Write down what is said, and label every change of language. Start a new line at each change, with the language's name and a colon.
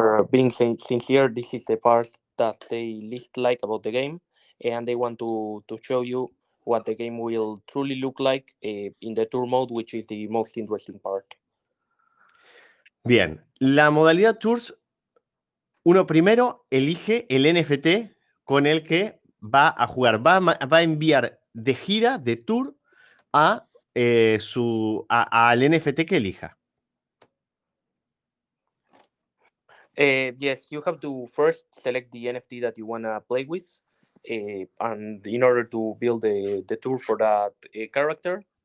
English: Being sincere, this is the part that they least like about the game. And they want to show you what the game will truly look like in the tour mode, which is the most interesting part.
Spanish: Bien, la modalidad tours, uno primero elige el NFT con el que va a jugar, va a enviar de gira, de tour, al NFT que elija.
English: Yes, you have to first select the NFT that you want to play with. And in order to build the tour for that character.